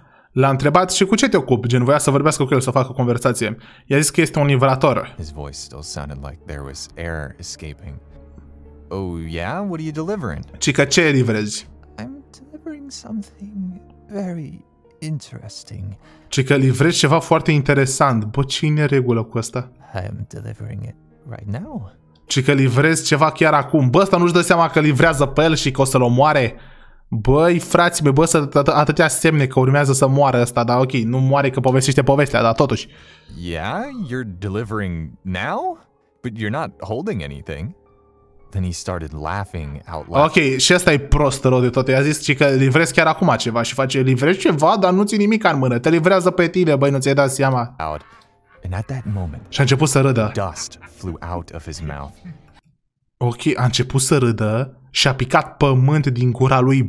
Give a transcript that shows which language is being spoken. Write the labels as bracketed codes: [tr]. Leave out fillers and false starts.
[ro] L-a întrebat și cu ce te ocupi, gen voia să vorbească cu el, să facă conversație. I-a zis că este un livrator. [en] His voice still sounded like there was air escaping. Oh yeah, what are you delivering? [ro] Chica, ce livrezi? [en] I'm delivering something very interesting. [ro] Chica, livrezi ceva foarte interesant. Bă, cine regulă cu asta? [en] I'm delivering it right now. [ro] Chica, livrezi ceva chiar acum. Bă, ăsta nu-și dă seama că livrează pe el și că o să-l omoare. Băi, frații mei, bă, atâtea semne că urmează să moară ăsta, dar ok, nu moare că povestește povestea, dar totuși. [en] Yeah, you're delivering now, but you're not holding anything. Then he started laughing out loud. [ro] Ok, și ăsta e prost rău de tot. I-a zis și că livrezi chiar acum ceva și face, livrezi ceva, dar nu ții nimic în mână. Te livrează pe tine, băi, nu ți-ai dat seama. [en] And at that moment, [ro] și a început să râdă. [en] Dust flew out of his mouth. [ro] Ok, a început să râdă și a picat pământ din gura lui.